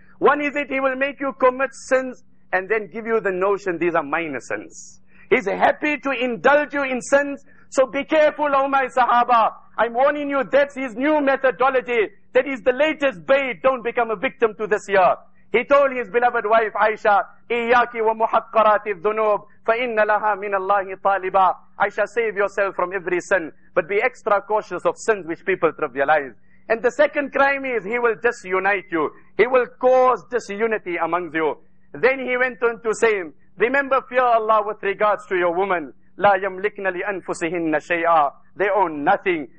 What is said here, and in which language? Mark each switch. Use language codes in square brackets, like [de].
[en] One is that he will make you commit sins, and then give you the notion these are minor sins. He's happy to indulge you in sins, so be careful, O my Sahaba. I'm warning you, that's his new methodology. That is the latest bait. Don't become a victim to this year. He told his beloved wife Aisha, [ar] إِيَّاكِ وَمُحَقَّرَاتِ الذُّنُوبِ فَإِنَّ لَهَا مِنَ اللَّهِ طَالِبًا. [en] Aisha, save yourself from every sin, but be extra cautious of sins which people trivialize. And the second crime is, he will disunite you. He will cause disunity amongst you. Then he went on to say, remember, fear Allah with regards to your woman. [ar] لَا يَمْلِكْنَ لِأَنفُسِهِنَّ شَيْئًا. [en] They own nothing.